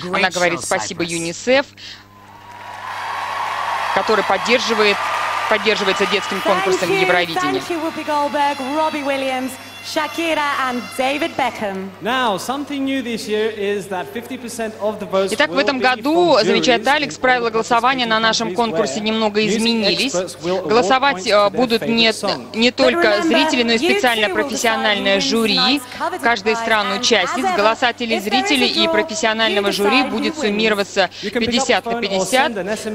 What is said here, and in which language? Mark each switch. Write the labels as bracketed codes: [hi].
[ru] Она говорит спасибо ЮНИСЕФ, который поддерживается детским конкурсом Евровидения. [en] Shakira and David Beckham. Now, something new this year is that 50% of the votes. [ru] Итак, в этом году, замечает Алекс, правила голосования на нашем конкурсе немного изменились. Голосовать будут не только зрители, но и специальное профессиональное жюри. Каждая из стран участниц, голоса телезрителей и профессионального жюри будет суммироваться 50-50.